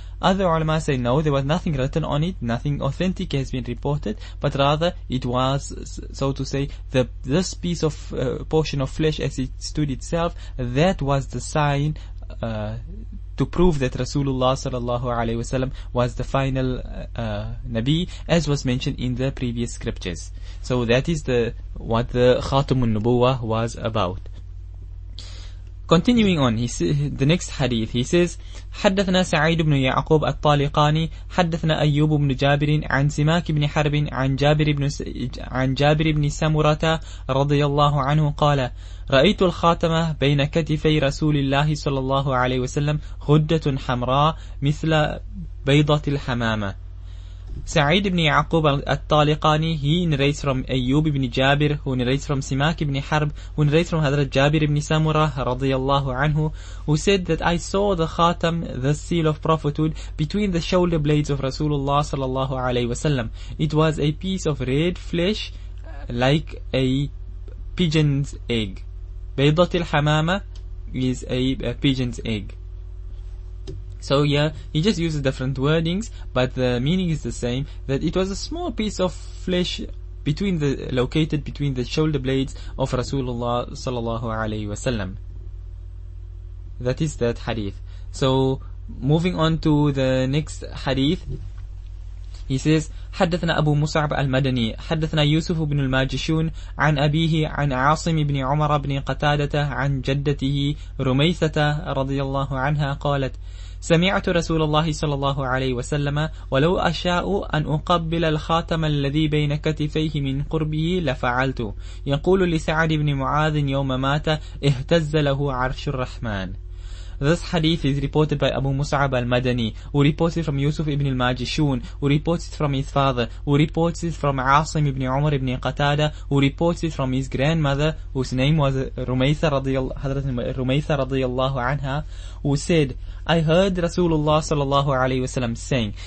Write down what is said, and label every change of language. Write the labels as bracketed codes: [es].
[en] Other ulama say no, there was nothing written on it, nothing authentic has been reported, but rather it was, so to say, this piece of portion of flesh as it stood itself, that was the sign to prove that Rasulullah sallallahu alayhi wa sallam was the final Nabi, as was mentioned in the previous scriptures. So that is what the Khatam al-Nubuwa was about. Continuing on, the next hadith, he says, [ar] حدثنا سعيد بن يعقوب الطالقاني حدثنا أيوب بن جابر عن سماك بن حرب عن جابر بن سمرة رضي الله عنه قال رأيت الخاتمة بين كتفي رسول الله صلى الله عليه وسلم غدة حمراء مثل بيضة الحمامة. [en] Sa'id ibn Ya'qub al-Taliqani, he narrates from Ayyub ibn Jabir, who narrates from Simak ibn Harb, who narrates from Hadrat Jabir ibn Samurah radiyallahu anhu, who said that I saw the khatam, the seal of prophethood, between the shoulder blades of Rasulullah sallallahu alayhi wasallam. It was a piece of red flesh like a pigeon's egg. Baydat al-hamama is a pigeon's egg. So yeah, he just uses different wordings, but the meaning is the same, that it was a small piece of flesh located between the shoulder blades of Rasulullah sallallahu alayhi wa sallam. That is that hadith. So moving on to the next hadith, he says, [ar] حدثنا أبو مصعب المدني حدثنا يوسف بن الماجشون عن أبيه عن عاصم بن عمر بن قتادة عن جدته رميثة رضي الله عنها قالت سمعت رسول الله صلى الله عليه وسلم ولو أشاء أن أقبل الخاتم الذي بين كتفيه من قربه لفعلته. يقول لسعد بن معاذ يوم مات اهتز له عرش الرحمن. [en] This hadith is reported by Abu Mus'ab al-Madani, who reports it from Yusuf ibn al-Majishun, who reports it from his father, who reports it from Asim ibn Umar ibn Qatada, who reports it from his grandmother, whose name was Rumaytha radiyallahu anha, who said, I heard Rasulullah sallallahu alayhi wasallam saying.